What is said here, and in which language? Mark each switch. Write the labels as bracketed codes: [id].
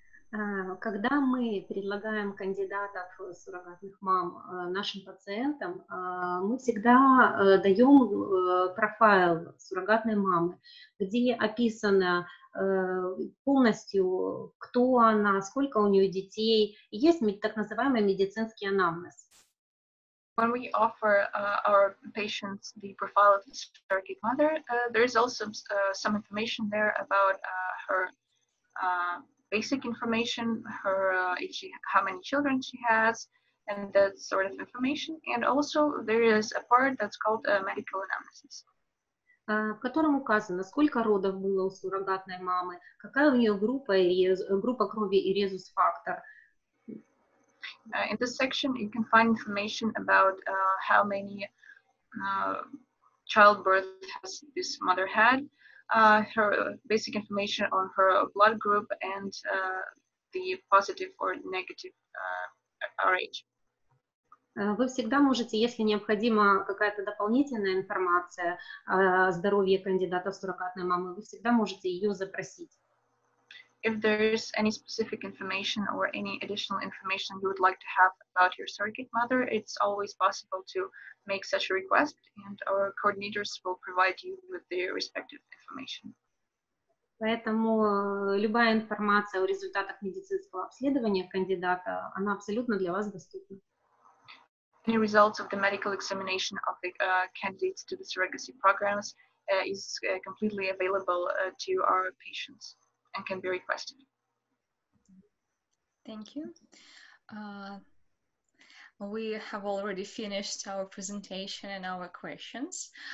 [ru] Когда мы предлагаем кандидатов суррогатных мам нашим пациентам, мы всегда даем профайл суррогатной мамы, где описано полностью, кто она, сколько у нее детей, и есть так называемый медицинский анамнез. [en] When we offer our patients the profile of the surrogate mother, there is also some information there about her basic information, her how many children she has, and that sort of information. And also there is a part that's called a medical analysis. [ru] В котором указано, сколько родов было у суррогатной мамы, какая у нее группа крови и резус-фактор. [en] In this section, you can find information about how many childbirths has this mother had, her basic information on her blood group and the positive or negative RH. [ru] Вы всегда можете, если необходима какая-то дополнительная информация о здоровье кандидата в суррогатной мамы, вы всегда можете ее запросить. [en] If there is any specific information or any additional information you would like to have about your surrogate mother, it's always possible to make such a request, and our coordinators will provide you with their respective information. [ru] Поэтому любая информация о результатах медицинского обследования кандидата, она абсолютно для вас доступна. [en] Any results of the medical examination of the candidates to the surrogacy programs is completely available to our patients. And can be requested. Thank you. We have already finished our presentation and our questions.